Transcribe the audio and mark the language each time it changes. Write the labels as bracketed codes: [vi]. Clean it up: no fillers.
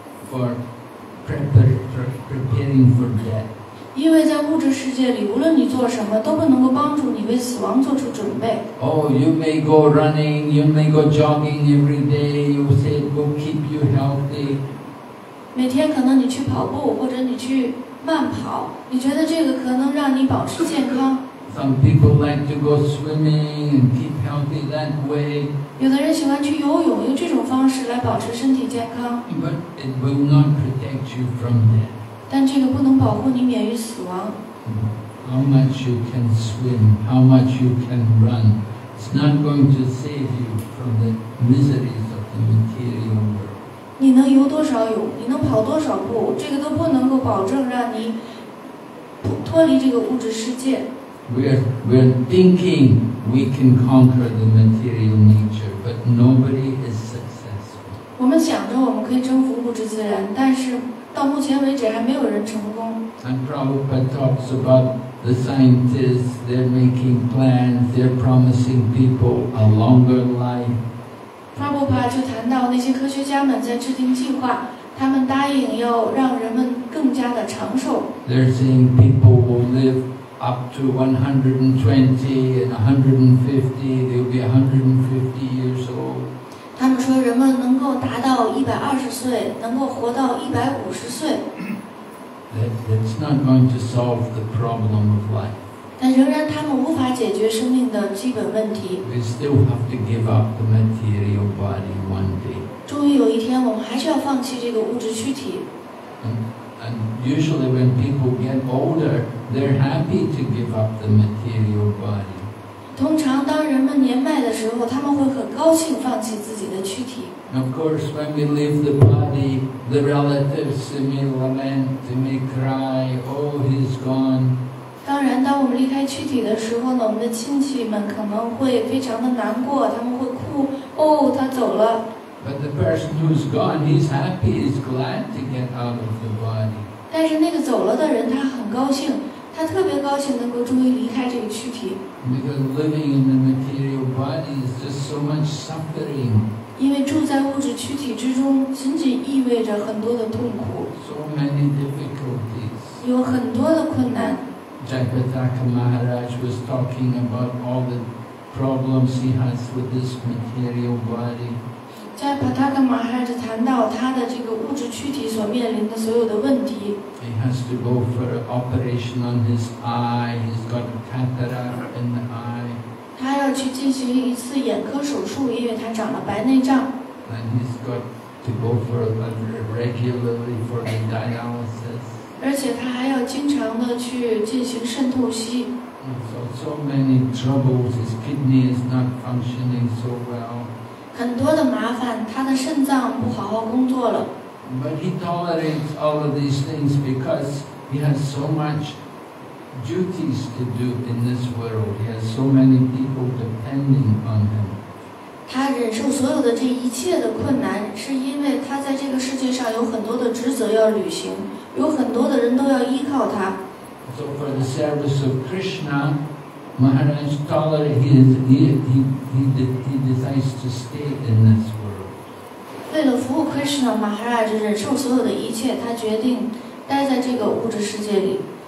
[en] For preparing for death. [zh] 因为在物质世界里，无论你做什么，都不能够帮助你为死亡做出准备。 [en] Oh, you may go running, you may go jogging every day. You say it will keep you healthy. [zh] 每天可能你去跑步，或者你去慢跑，你觉得这个可能让你保持健康。 [en] Some people like to go swimming and keep healthy that way. [zh] 有的人喜欢去游泳，用这种方式来保持身体健康。 [en] But it will not protect you from death. [zh] 但这个不能保护你免于死亡。 [en] How much you can swim, how much you can run, it's not going to save you from the miseries of the material world. [zh] 你能游多少泳，你能跑多少步，这个都不能够保证让你脱离这个物质世界。 [en] We're thinking we can conquer the material nature, but nobody is successful. [zh] 我们想着我们可以征服物质自然，但是到目前为止还没有人成功。 [en] And Prabhupada talks about the scientists, they're making plans, they're promising people a longer life. [zh] Prabhupada 就谈到那些科学家们在制定计划，他们答应要让人们更加的长寿。 [en] They're saying people will live up to 120 and 150, they'll be 150 years old. [zh] 他们说人们能够达到120岁，能够活到150岁。 [en] That's not going to solve the problem of life. [zh] 但仍然他们无法解决生命的基本问题。 [en] We still have to give up the material body one day. [zh] 终于有一天，我们还是要放弃这个物质躯体。 [en] And usually when people get older, they're happy to give up the material body. [zh] 通常当人们年迈的时候，他们会很高兴放弃自己的躯体。 [en] Of course, when we leave the body, the relatives may lament, they may cry, oh, he's gone. [zh] 当然，当我们离开躯体的时候呢，我们的亲戚们可能会非常的难过，他们会哭，哦，他走了。 [en] But the person who's gone, he's happy, he's glad to get out of the body. [zh] 但是那个走了的人，他很高兴。他特别高兴能够终于离开这个躯体。 [en] Because living in the material body is just so much suffering. [zh] 因为住在物质躯体之中，仅仅意味着很多的痛苦。 [en] So many difficulties. [zh] 有很多的困难。 [en] Jagadaka Maharaj was talking about all the problems he has with this material body. [zh] Jagadaka Maharaj 谈到他的这个物质躯体所面临的所有的问题。 [en] He has to go for an operation on his eye. He's got a cataract in the eye. [zh] 他要去进行一次眼科手术，因为他长了白内障。 [en] And he's got to go for regularly for the dialysis. [zh] 而且他还要经常的去进行肾透析。 [en] So many troubles. His kidney is not functioning so well. [zh] 很多的麻烦，他的肾脏不好好工作了。 [en] But he tolerates all of these things because he has so much duties to do in this world. He has so many people depending on him. [zh] 他忍受所有的这一切的困难，是因为他在这个世界上有很多的职责要履行，有很多的人都要依靠他。 [en] So for the service of Krishna, Maharaj tolerates. He decides to stay in this world. [zh] 为了服务 Krishna, Maharaj 忍受所有的一切，他决定待在这个物质世界里。